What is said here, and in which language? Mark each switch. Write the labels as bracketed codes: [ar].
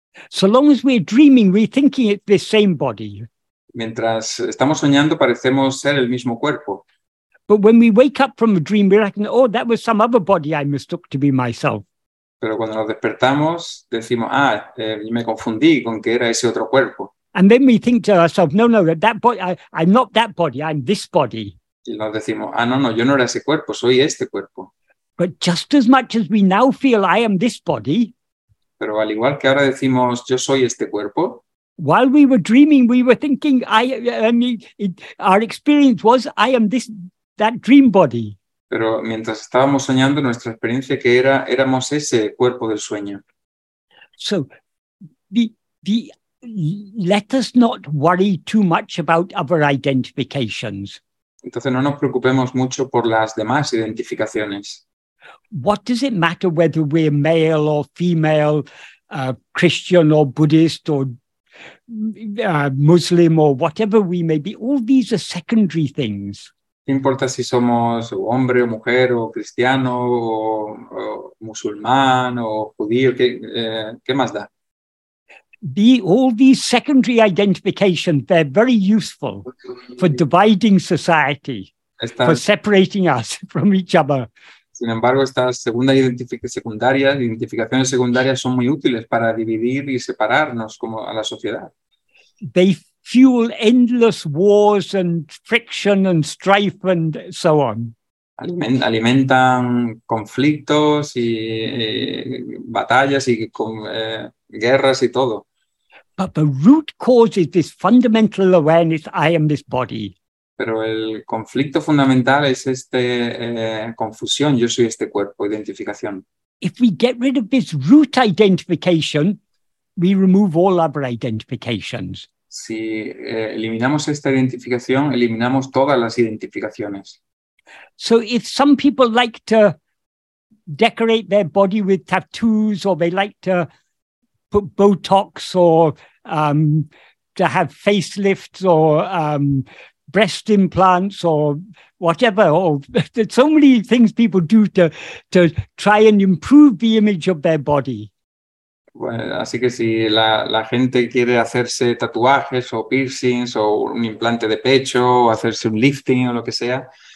[en] So long as we're dreaming, we're thinking it's the same body. [es] Mientras estamos soñando, parecemos ser el mismo cuerpo. [en] But when we wake up from a dream, we're like, oh, that was some other body I mistook to be myself. [es] Pero cuando nos despertamos, decimos, me confundí con que era ese otro cuerpo. [en] And then we think to ourselves, no, that body, I'm not that body, I'm this body. [es] Y nos decimos, no, yo no era ese cuerpo, soy este cuerpo. [en] But just as much as we now feel I am this body. [es] Pero al igual que ahora decimos, yo soy este cuerpo. [en] While we were dreaming, we were thinking, our experience was, I am this, that dream body. [es] Pero mientras estábamos soñando, nuestra experiencia que era, éramos ese cuerpo del sueño. [en] So, let us not worry too much about other identifications. [es] Entonces no nos preocupemos mucho por las demás identificaciones. [en] What does it matter whether we're male or female, Christian or Buddhist or Muslim or whatever we may be, all these are secondary things. [es] ¿Qué importa si somos hombre o mujer o cristiano o musulmán o judío? ¿Qué más da? [en] All these secondary identifications, they're very useful for dividing society, for separating us from each other. [es] Sin embargo, estas identificaciones secundarias son muy útiles para dividir y separarnos como a la sociedad. [en] They fuel endless wars and friction and strife and so on. [es] Alimentan conflictos y batallas y guerras y todo. [en] But the root cause is this fundamental awareness, I am this body. [es] Pero el conflicto fundamental es este confusión, yo soy este cuerpo, identificación. [en] If we get rid of this root identification, we remove all other identifications. [es] Si eliminamos esta identificación, eliminamos todas las identificaciones. [en] So if some people like to decorate their body with tattoos, or they like to put Botox, or to have facelifts, or breast implants, or whatever, or there's so many things people do to try and improve the image of their body. [es] Bueno, así que si la gente quiere hacerse tatuajes o piercings o un implante de pecho o hacerse un lifting o lo que sea.